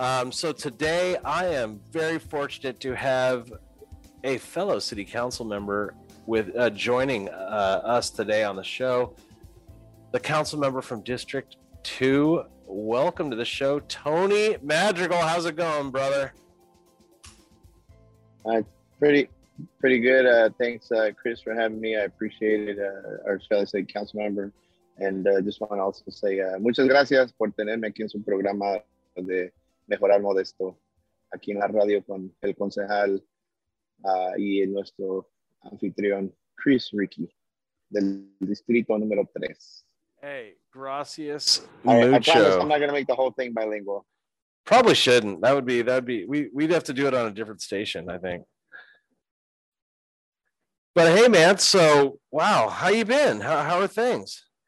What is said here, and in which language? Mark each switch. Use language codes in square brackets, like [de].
[en] So today I am very fortunate to have a fellow city council member with joining us today on the show, the council member from District 2. Welcome to the show, Tony Madrigal. How's it going, brother? Pretty good. Thanks, Chris, for having me. I appreciate it, our fellow city council member. And just want to also say, [es] muchas gracias por tenerme aquí en su programa de mejorar Modesto aquí en la radio con el concejal y nuestro anfitrión, Chris Rickey, del distrito número 3. Hey, gracias mucho. [en] I promise I'm not going to make the whole thing bilingual. Probably shouldn't. We'd have to do it on a different station, I think. But hey, man, so, wow, how you been? How are things?